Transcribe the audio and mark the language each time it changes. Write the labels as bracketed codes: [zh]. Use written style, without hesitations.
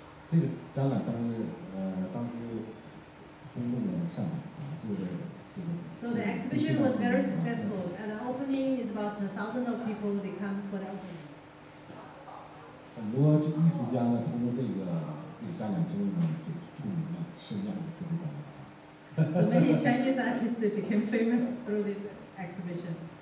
[zh] 这个展览当时轰动了上海，这个。 [en] So the exhibition was very successful. At the opening, is about 1,000 of people they come for the opening. [zh] 很多艺术家呢，通过这个展览之后呢，就著名了，声量就特别高。 [en] So many Chinese artists they became famous through this exhibition.